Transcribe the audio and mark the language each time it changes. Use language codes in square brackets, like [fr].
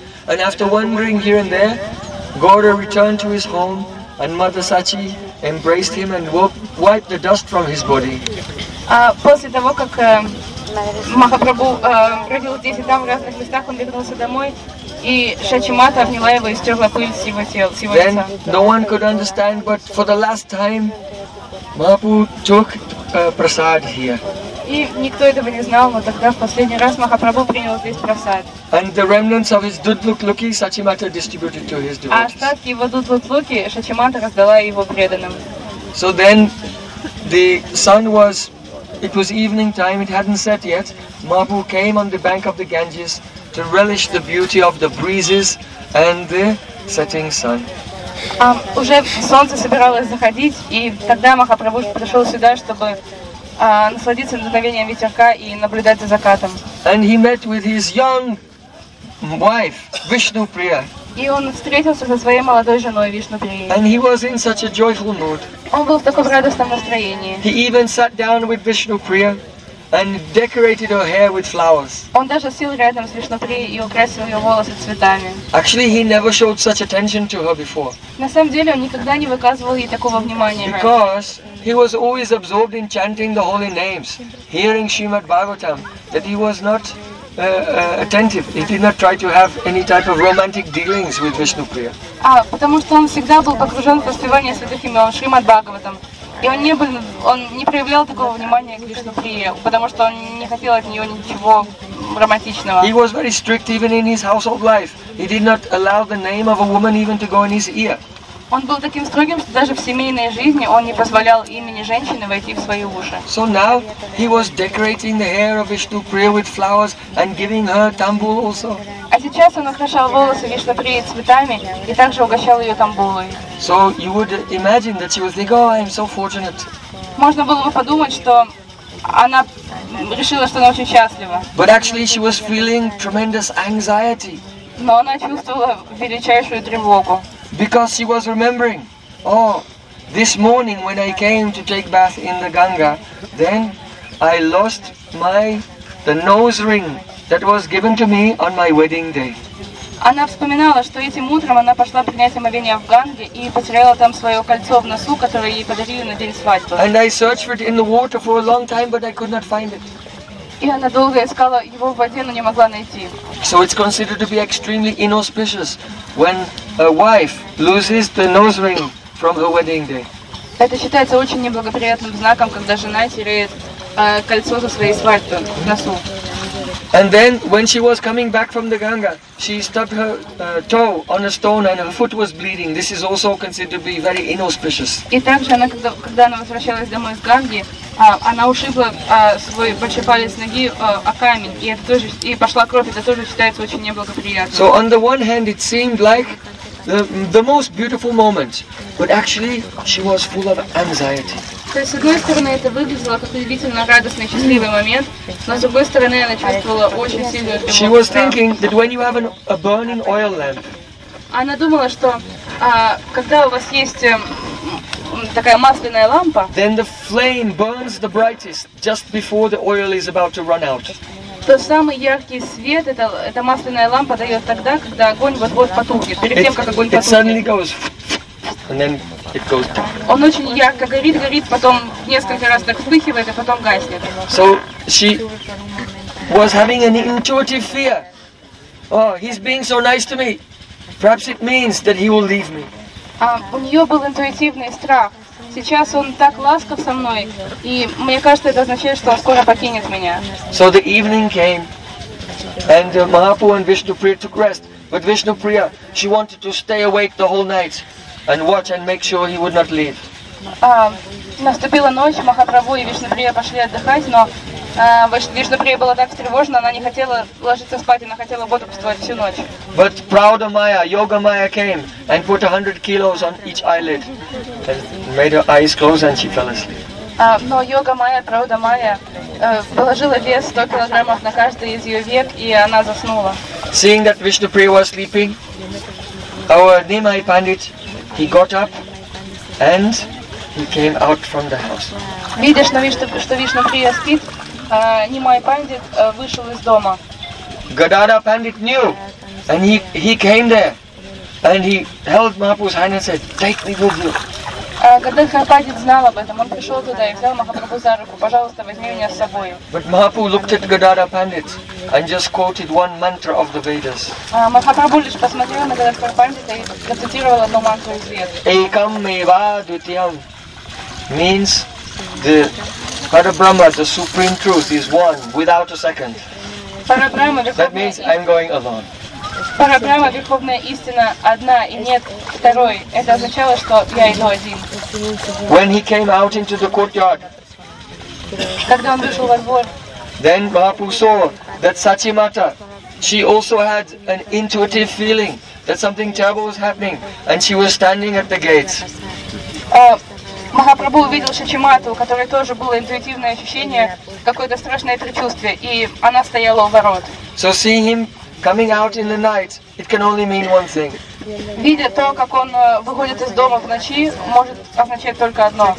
[en] And after wandering here and there, Gaura returned to his home and Mother Sachi embraced him and wiped the dust from his body. [ru] После того, как Махапрабху родил здесь и там в разных местах, он вернулся домой, и Шачимата обняла его и стерла пыль с его тела. [en] Then no one could understand, but for the last time, Mahaprabhu took prasad here. [ru] И никто этого не знал, но тогда в последний раз Махапрабху принял здесь прасад. [en] And the remnants of his дудлук-луки Сачимата distributed to his devotees. [ru] А остатки его дудлук-луки Сачимата раздала его преданным. [en] So then the sun was, it was evening time, it hadn't set yet. Mahaprabhu came on the bank of the Ganges to relish the beauty of the breezes and the setting sun. [ru] Уже солнце собиралось заходить, и тогда Махапрабху пришел сюда, чтобы насладиться мгновением ветерка и наблюдать за закатом. [en] And he met with his young wife, Vishnu Priya. [ru] И он встретился со своей молодой женой Вишну Прией. [en] And he was in such a joyful mood. [ru] Он был в таком радостном настроении. [en] He even sat down with Vishnu Priya and decorated her hair with flowers. [ru] Он даже сел рядом с Вишну Прией и украсил ее волосы цветами. [en] Actually, he never showed such attention to her before. [ru] На самом деле, он никогда не выказывал ей такого внимания. [en] Because he was always absorbed in chanting the holy names, hearing Srimad Bhagavatam, that he was not attentive. He did not try to have any type of romantic dealings with Vishnu Priya. [ru] Потому что он всегда был погружен в воспевание святых имен Шримад Бхагаватам. И он не проявлял такого внимания к Вишну Прие, потому что он не хотел от нее ничего романтичного. [en] He was very strict even in his household life. He did not allow the name of a woman even to go in his ear. [ru] Он был таким строгим, что даже в семейной жизни он не позволял имени женщины войти в свои уши. [en] So now he was decorating the hair of Vishnu Priya with flowers and giving her tambul also. [ru] А сейчас он украшал волосы Вишну Прии цветами и также угощал ее тамбулой. [en] So you would imagine that she was thinking, oh, I'm so fortunate. [ru] Можно было бы подумать, что она решила, что она очень счастлива. [en] But actually she was feeling tremendous anxiety. [ru] Но она чувствовала величайшую тревогу. [en] Because she was remembering, oh, this morning when I came to take bath in the Ganga, then I lost the nose ring that was given to me on my wedding day. [ru] Она вспоминала, что этим утром она пошла принять омовение в Ганге и потеряла там свое кольцо в носу, которое ей подарили на день свадьбы. [en] And I searched for it in the water for a long time, but I could not find it. [ru] И она долго искала его в воде, но не могла найти. [en] So it's considered to be extremely inauspicious when a wife loses the nose ring from her wedding day. [ru] Это считается очень неблагоприятным знаком, когда жена теряет кольцо со своей свадьбы в носу. [en] And then when she was coming back from the Ganga, she stubbed her toe on a stone and her foot was bleeding. This is also considered to be very inauspicious. [ru] И также она, когда она возвращалась домой из Ганги, она ушибла свой большой палец ноги о камень, и это тоже, и пошла кровь, это тоже считается очень неблагоприятным. [en] So on the one hand, it seemed like the most beautiful moment, but actually she was full of anxiety. [ru] То есть, с одной стороны, это выглядело как удивительно радостный, счастливый момент, но с другой стороны, она чувствовала очень сильную тревогу. [en] She was thinking that when you have a burning oil lamp. [ru] Она думала, что когда у вас есть такая масляная лампа, [en] then the flame burns the brightest just before the oil is about to run out. [ru] То самый яркий свет эта масляная лампа дает тогда, когда огонь вот-вот потухнет, перед тем, как огонь потухнет. [en] It suddenly goes, and then it goes down. [ru] Он очень ярко горит, потом несколько раз так вспыхивает, и потом гаснет. [en] So she was having an intuitive fear. Oh, he's being so nice to me. Perhaps it means that he will leave me. [ru] У нее был интуитивный страх. Сейчас он так ласков со мной, и мне кажется, это означает, что он скоро покинет меня. [en] So the evening came, and Mahaprabhu and Vishnu Priya took rest. But Vishnu Priya, she wanted to stay awake the whole night and watch and make sure he would not leave. [ru] Наступила ночь, Махапрабху и Вишну Прия пошли отдыхать, но Вишну Прия была так встревожена, она не хотела ложиться спать, она хотела бодрствовать всю ночь. [en] But Prouda Maya, Yoga Maya came and put 100 kilos on each eyelid and made her eyes close and she fell asleep. [ru] Но Йога Майя, Прауда Майя, положила вес 100 килограммов на каждый из ее век, и она заснула. [en] Seeing that Vishnu Priya was sleeping, our Nimai Pandit, he got up and he came out from the house. [ru] Видишь, что Вишну Прия спит, Нимай Пандит вышел из дома. [en] Гадада Пандит knew, and he came there, and he held Mahaprabhu's hand and said, "Take me with you." [ru] Гадада Пандит знал об этом, он пришел туда и взял Махапрабху за руку, пожалуйста, возьми меня с собой. [en] But Mahaprabhu looked at Gadada Pandit and just quoted one mantra of the Vedas. [ru] Махапрабху лишь посмотрел на Гадада Пандита и процитировал одну мантру из Вед. [sa] Экам ева дутиям [en] means The Parabrahma, the Supreme Truth, is one without a second. That means I'm going alone. [ru] Парабрама, верховная истина одна и нет второй. Это означало, что я иду один. [en] When he came out into the courtyard, [ru] когда он вышел во двор, [en] then Mahaprabhu saw that Satyamata, she also had an intuitive feeling that something terrible was happening, and she was standing at the gates. [ru] Махапрабху увидел Сатимату, у которой тоже было интуитивное ощущение, какое-то страшное предчувствие, и она стояла у ворот. [en] So seeing him coming out in the night, it can only mean one thing. [ru] Видя то, как он выходит из дома в ночи, может означать только одно.